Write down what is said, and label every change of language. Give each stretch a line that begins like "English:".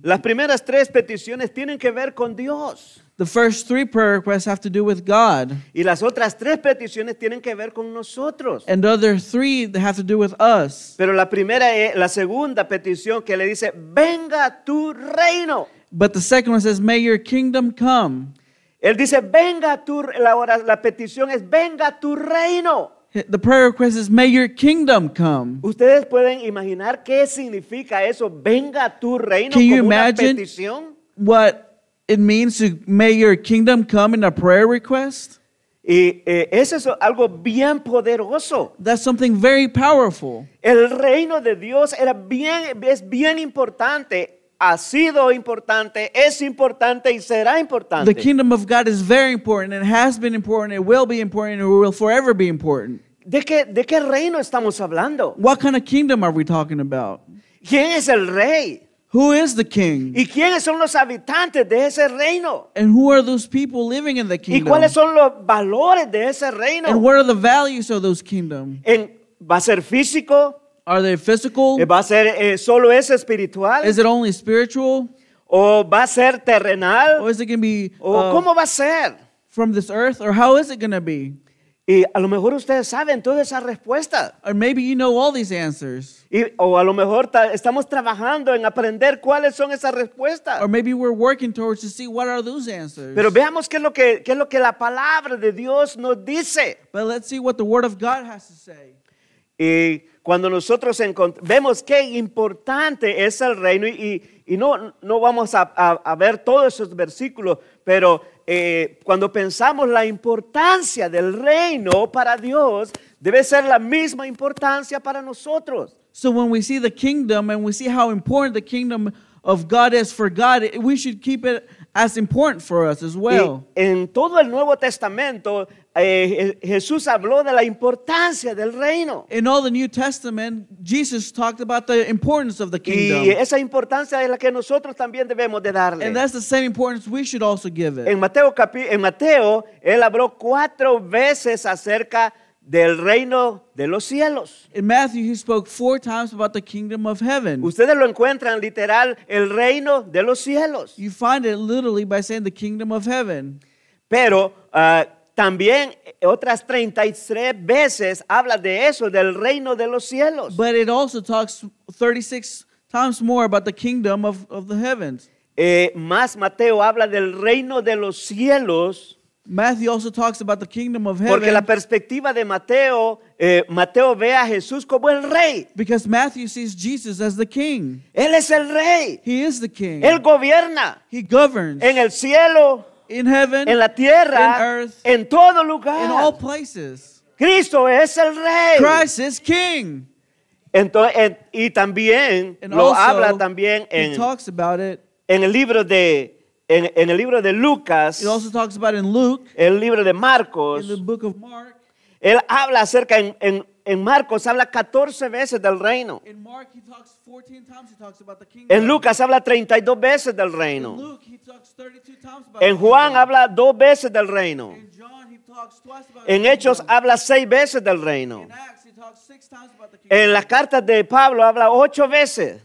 Spanish: Las primeras tres peticiones tienen que ver con Dios.
English: The first three prayer requests have to do with God.
Spanish: Y las otras tres peticiones tienen que ver con nosotros.
English: And the other three have to do with us.
Spanish: Pero la segunda petición que le dice, venga tu reino.
English: But the second one says, may your kingdom come.
Spanish: Él dice, venga tu, la petición es, venga tu reino.
English: The prayer request is, may your kingdom come.
Spanish: ¿Ustedes pueden imaginar qué significa eso? Venga tu reino.
English: Can you imagine what it means to may your kingdom come in a prayer request?
Spanish: Y eso es algo bien poderoso.
English: That's something very powerful.
Spanish: El reino de Dios es bien importante. Ha sido importante, es importante y será importante.
English: The kingdom of God is very important. It has been important, it will be important, and it will forever be important.
Spanish: ¿De qué reino estamos hablando?
English: What kind of kingdom are we talking about?
Spanish: ¿Quién es el rey?
English: Who is the king?
Spanish: ¿Y quiénes son los habitantes de ese reino?
English: And who are those people living in the kingdom?
Spanish: ¿Y cuáles son los valores de ese reino?
English: And what are the values of those kingdom?
Spanish: ¿Va a ser físico?
English: Are they physical?
Spanish: ¿Va a ser solo es espiritual?
English: Is it only spiritual?
Spanish: ¿O va a ser terrenal?
English: Or is it going to be
Spanish: ¿cómo va a ser?
English: From this earth? Or how is it going to be?
Spanish: Y a lo mejor ustedes saben todas esas respuestas.
English: Or maybe you know all these answers.
Spanish: O a lo mejor estamos trabajando en aprender cuáles son esas respuestas.
English: Or maybe we're working towards to see what are those answers.
Spanish: Pero veamos qué es lo que la palabra de Dios nos dice.
English: But let's see what the word of God has to say.
Spanish: Y cuando nosotros vemos qué importante es el reino y no vamos a ver todos esos versículos, pero cuando pensamos la importancia del reino para Dios, debe ser la misma importancia para nosotros.
English: So when we see the kingdom and we see how important the kingdom of God is for God, we should keep it as important for us as well.
Spanish: Y en todo el Nuevo Testamento, Jesús habló de la importancia del reino.
English: In all the New Testament, Jesus talked about the importance of the kingdom.
Spanish: Y esa importancia es la que nosotros también debemos de darle.
English: And that's the same importance we should also give it.
Spanish: En Mateo, él habló 4 veces acerca del reino de los cielos.
English: In Matthew, he spoke 4 times about the kingdom of heaven.
Spanish: Ustedes lo encuentran literal, el reino de los cielos.
English: You find it literally by saying the kingdom of heaven.
Spanish: Pero también otras 33 veces habla de eso, del reino de los cielos.
English: But it also talks 36 times more about the kingdom of the heavens.
Spanish: Más Mateo habla del reino de los cielos.
English: Matthew also talks about the kingdom of heaven.
Spanish: Porque la perspectiva de Mateo, Mateo ve a Jesús como el rey.
English: Because Matthew sees Jesus as the king.
Spanish: Él es el rey.
English: He is the king.
Spanish: Él gobierna.
English: He governs.
Spanish: En el cielo.
English: In heaven.
Spanish: En la tierra.
English: In earth.
Spanish: En todo lugar.
English: In all places.
Spanish: Cristo es el rey.
English: Christ is king.
Spanish: Y también lo habla también en.
English: He talks about it.
Spanish: En el libro de. En el libro de Lucas,
English: it also talks about in Luke,
Spanish: el libro de Marcos,
English: in the book of Mark,
Spanish: él habla acerca en Marcos habla 14 veces del reino.
English: In Mark he talks 14 times he talks about the kingdom.
Spanish: En Lucas habla 32 veces del reino.
English: In Luke he talks 32 times about.
Spanish: En Juan habla 2 veces del reino.
English: In John he talks twice about.
Spanish: En Hechos habla 6 veces del reino.
English: In Acts he talks 6 times about the kingdom.
Spanish: En las cartas de Pablo habla 8 veces.